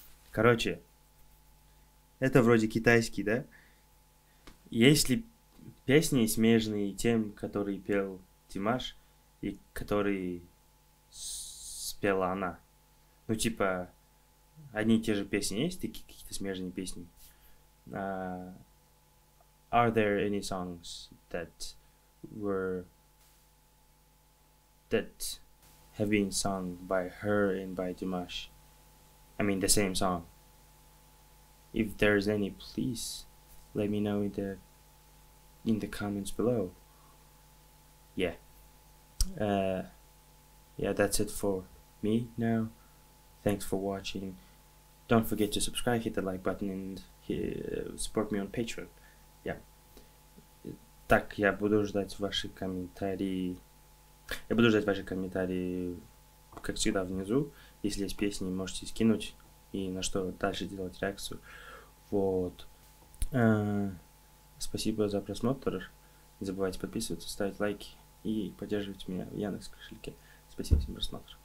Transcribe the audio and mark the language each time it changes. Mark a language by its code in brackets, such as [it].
[ru] Короче, это вроде китайский, да? Если... Песни, смежные тем, которые пел Димаш и которые спела она. Ну, типа, одни и те же песни есть, такие какие-то смежные песни. [en] Are there any songs that have been sung by her and by Димаш? I mean, the same song. If there's any, please let me know in the comments below. Yeah, that's it for me now. Thanks for watching. Don't forget to subscribe, hit the like button, and support me on Patreon. Yeah. [ru] Так, я буду ждать ваши комментарии. Я буду ждать ваши комментарии, как всегда, внизу. Если есть песни, можете скинуть и на что дальше делать реакцию. Вот. Спасибо за просмотр. Не забывайте подписываться, ставить лайки и поддерживать меня в Яндекс кошельке. Спасибо всем за просмотр.